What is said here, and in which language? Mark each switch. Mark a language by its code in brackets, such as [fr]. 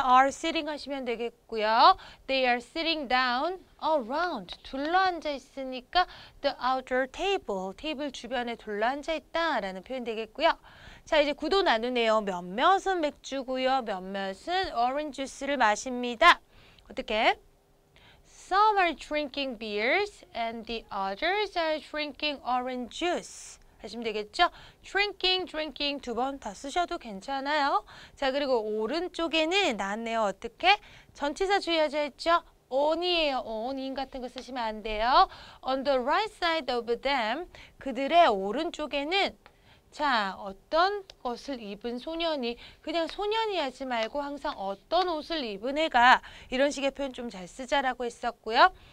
[en] Are sitting [ko] 하시면 되겠고요. [en] They are sitting down around. [ko] 둘러앉아 있으니까 [en] the outdoor table. [ko] 테이블 주변에 둘러앉아 있다라는 표현 되겠고요. 자, 이제 구도 나누네요. 몇몇은 맥주고요. 몇몇은 오렌지 주스를 마십니다. 어떻게? [en] Some are drinking beers and the others are drinking orange juice. [ko] 하시면 되겠죠? Drinking, drinking 두 번 다 쓰셔도 괜찮아요. 자, 그리고 오른쪽에는 낫네요. 어떻게? 전치사 주의하자 했죠? On이에요. On 같은 거 쓰시면 안 돼요. [en] On the right side of them, [ko] 그들의 오른쪽에는 자, 어떤 것을 입은 소년이, 그냥 소년이 하지 말고 항상 어떤 옷을 입은 애가 이런 식의 표현 좀 잘 쓰자라고 했었고요.